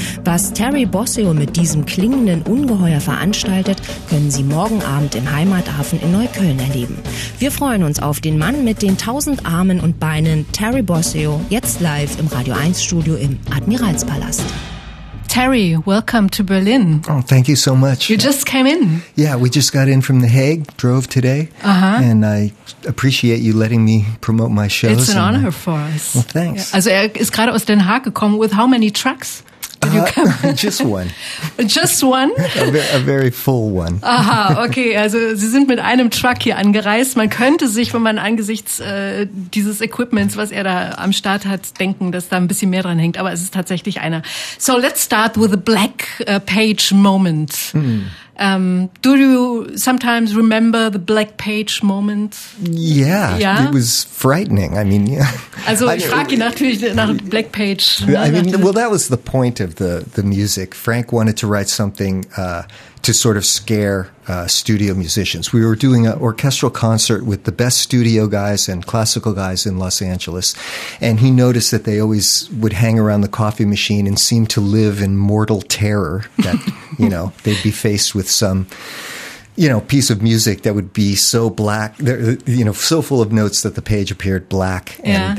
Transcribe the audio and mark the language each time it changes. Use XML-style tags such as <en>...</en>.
<de>Was Terry Bossio mit diesem klingenden Ungeheuer veranstaltet, können Sie morgen Abend im Heimathafen in Neukölln erleben. Wir freuen uns auf den Mann mit den tausend Armen und Beinen, Terry Bossio, jetzt live im Radio 1-Studio im Admiralspalast.</de> <en>Terry, welcome to Berlin. Oh, thank you so much. You just came in. Yeah, we just got in from The Hague, drove today. Uh-huh. And I appreciate you letting me promote my shows. It's an honor for us. Well, thanks.</en> <de>Also, ist gerade aus Den Haag gekommen.</de> <en>With how many trucks did you come? Just one. Just one? A very full one. Aha, okay.</en> <de>Also, Sie sind mit einem Truck hier angereist. Man könnte sich, wenn man angesichts dieses Equipments, was er da am Start hat, denken, dass da ein bisschen mehr dran hängt. Aber es ist tatsächlich einer.</de> <en>So, let's start with a black page moment. Mm. Do you sometimes remember the black page moment? Yeah, yeah? It was frightening. I mean, yeah.</en> <de>Also, ich frage ihn natürlich nach black page.</de> <en>I mean, well, that was the point of the music. Frank wanted to write something to sort of scare studio musicians. We were doing an orchestral concert with the best studio guys and classical guys in Los Angeles, and he noticed that they always would hang around the coffee machine and seem to live in mortal terror that, you know, they'd be faced with some, you know, piece of music that would be so black, you know, so full of notes that the page appeared black, and</en>